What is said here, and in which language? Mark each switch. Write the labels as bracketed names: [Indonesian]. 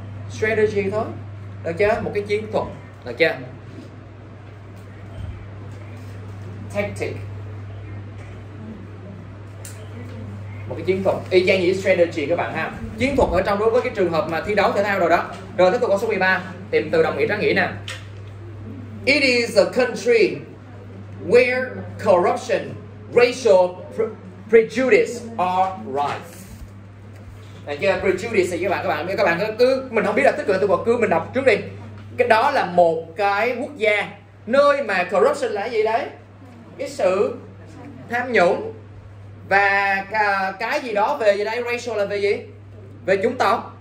[Vietnamese] Strategy thôi, được chưa? Một cái chiến thuật, được chưa? Tactic, một cái chiến thuật y chang như strategy các bạn ha, chiến thuật ở trong đối với cái trường hợp mà thi đấu thể thao rồi đó. Rồi tiếp tục câu số 13, tìm từ đồng nghĩa trái nghĩa nè. [English] It is a country where corruption, racial prejudice are rife. [Vietnamese] Này kia prejudice thì các bạn cứ mình không biết là tích cực, tôi cứ mình đọc trước đi. Cái đó là một cái quốc gia nơi mà corruption là gì đấy, cái sự tham nhũng. Và cái gì đó về gì đây, racial là về gì? Về chủng tộc.